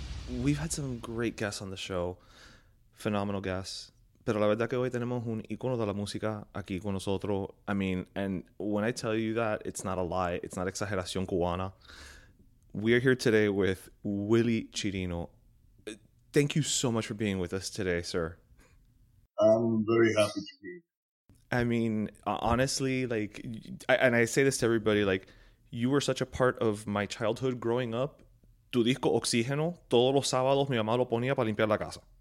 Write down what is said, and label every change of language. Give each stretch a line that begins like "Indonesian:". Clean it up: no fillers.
English: We've had some great guests on the show, phenomenal guests.
Spanish: Pero la verdad que hoy tenemos un icono de la música aquí con nosotros.
English: I mean, and when I tell you that, it's not a lie. It's not
Spanish: exageración cubana.
English: We are here today with Willy Chirino. Thank you so much for being with us today, sir. I'm very happy to be here. I mean, honestly, like, and I say this to everybody, like, you were such a part of my childhood growing up.
Spanish: Tu disco Oxígeno, todos los sábados mi mamá lo ponía para limpiar la casa.